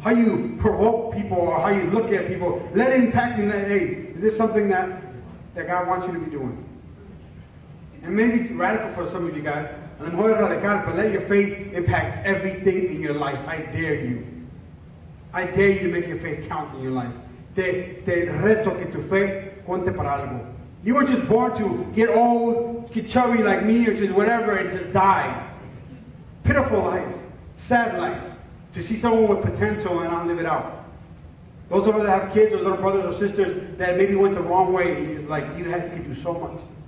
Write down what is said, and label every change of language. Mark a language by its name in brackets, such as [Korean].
[English] How you provoke people or how you look at people. Let it impact you. Hey, is this something that God wants you to be doing? And maybe it's radical for some of you guys. [Spanish] A lo mejor radical, [English] but let your faith impact everything in your life. I dare you. I dare you to make your faith count in your life. [Spanish] Te reto que tu fe cuente para algo. [English] You weren't just born to get old, get chubby like me, or just whatever, and just die. Pitiful life, sad life, to see someone with potential and not live it out. Those of us that have kids or little brothers or sisters that maybe went the wrong way, he's like, you could do so much.